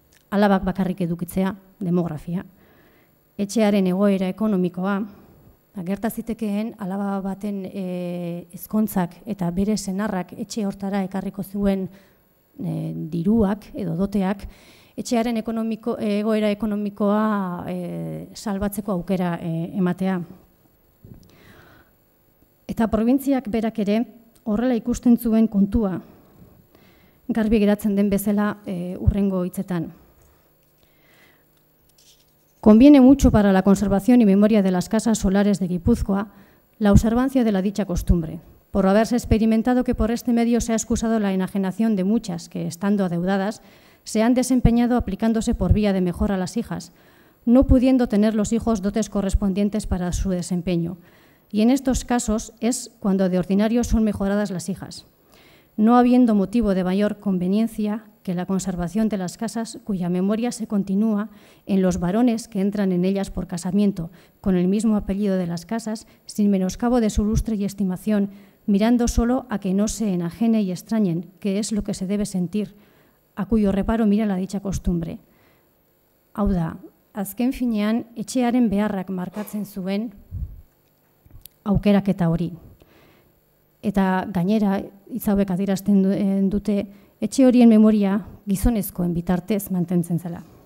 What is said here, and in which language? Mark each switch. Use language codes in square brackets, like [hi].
[eu] Alabak bakarrik edukitzea, demografia, etxearen egoera ekonomikoa, gertazitekeen alaba baten ezkontzak eta bere senarrak etxe hortara ekarriko zuen diruak edo doteak, etxearen egoera ekonomikoa salbatzeko aukera ematea. Eta probintziak berak ere horrela ikusten zuen kontua, garbi geratzen den bezala urrengo hitzetan. [es] Conviene mucho para la conservación y memoria de las casas solares de Guipúzcoa la observancia de la dicha costumbre, por haberse experimentado que por este medio se ha excusado la enajenación de muchas que, estando adeudadas, se han desempeñado aplicándose por vía de mejora a las hijas, no pudiendo tener los hijos dotes correspondientes para su desempeño. Y en estos casos es cuando de ordinario son mejoradas las hijas, no habiendo motivo de mayor conveniencia que la conservación de las casas cuya memoria se continúa en los varones que entran en ellas por casamiento, con el mismo apellido de las casas, sin menoscabo de su lustre y estimación, mirando solo a que no se enajene y extrañen, que es lo que se debe sentir, a cuyo reparo mira la dicha costumbre. [eu] Hau da, azken finean, etxearen beharrak markatzen zuen aukeraketa hori. Eta gainera, hitzauek adierazten dute, etxe horien memoria gizonezkoen bitartez mantentzen zela.